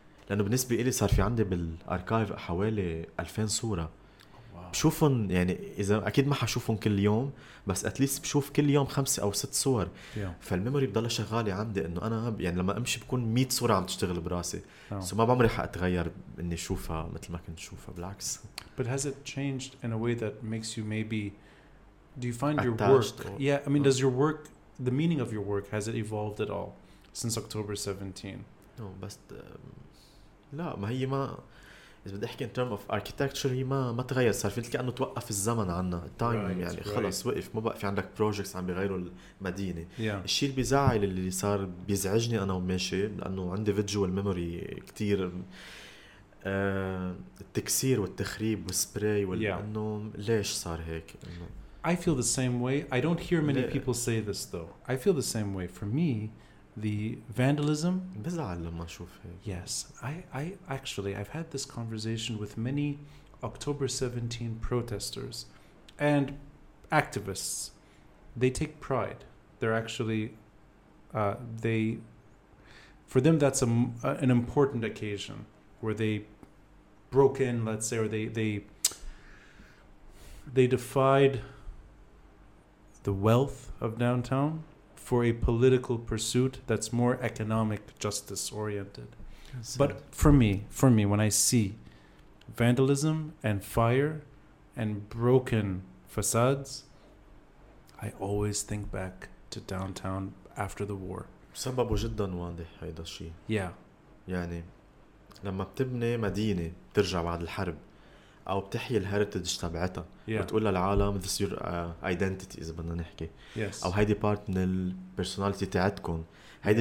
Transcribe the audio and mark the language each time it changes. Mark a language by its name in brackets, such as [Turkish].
[Arabic] لانه بالنسبه لي صار في عندي بالاركايف حوالي 2000 صوره. [English] Wow. [Arabic] بشوفهم يعني اذا اكيد ما حشوفهم كل يوم، بس اتليست بشوف كل يوم 5 أو 6 صور. [English] Yeah. [Arabic] فالميموري بضل شغالي عندي انه انا يعني لما امشي بكون 100 صوره عم تشتغل براسي. [English] Oh. [Arabic] ما بعمري حاتغير اني اشوفها مثل ما كنت اشوفها، بالعكس. [English] But has it changed in a way that makes you maybe do you find your work or... yeah, I mean, does your work, the meaning of your work, has it evolved at all since October 17? [Arabic] No, بس لا ما هي ما إذا بدي أحكي [English] in terms of architecture [Arabic] هي ما تغير، صار في كأنه توقف الزمن عنا time. [English] Right, [Arabic] يعني [English] right. [Arabic] خلص وقف، ما بقى في عندك projects عم بيغيروا المدينة. [English] Yeah. [Arabic] الشيء اللي بيزعل اللي صار بيزعجني أنا وماشي لأنه عندي visual memory كتير التكسير والتخريب والسبراي ولأنه ليش صار هيك. [English] I feel the same way. I don't hear many people say this though. I feel the same way. For me, the vandalism. بزعل لما أشوف هيك. Yes, I actually I've had this conversation with many October 17 protesters and activists. They take pride. They're actually they for them that's an important occasion where they broke in, let's say, or they defied the wealth of downtown for a political pursuit that's more economic justice oriented. But for me, when I see vandalism and fire and broken facades, I always think back to downtown after the war. [Arabic] سببه جدا واضح هيدا الشيء. [English] Yeah. [Arabic] يعني لما بتبني مدينة ترجع بعد الحرب أو بتحيي الهيريتج تبعتها. [English] Yeah. [Arabic] وتقول للعالم [English] this is your identity [Arabic] إذا بدنا نحكي. [English] Yes. [Arabic] أو هيدي بارت من البرسوناليتي تاعتكم، هيدي